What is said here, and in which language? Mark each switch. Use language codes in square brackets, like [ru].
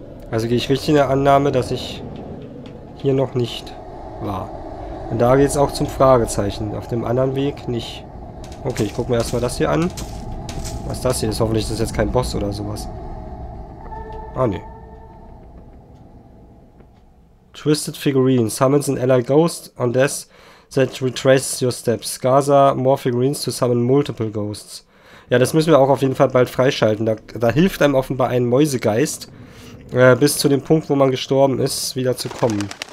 [de] Also gehe ich richtig in der Annahme, dass ich hier noch nicht war. Und da geht es auch zum Fragezeichen. Auf dem anderen Weg nicht. Okay, ich gucke mir erstmal das hier an. Was das hier ist. Hoffentlich ist das jetzt kein Boss oder sowas. Ah, ne. [en] Twisted Figurine summons an ally ghost on death that retraces your steps. Gather more figurines to summon multiple ghosts. [de] Ja, das müssen wir auch auf jeden Fall bald freischalten. Da hilft einem offenbar ein Mäusegeist, bis zu dem Punkt, wo man gestorben ist, wieder zu kommen.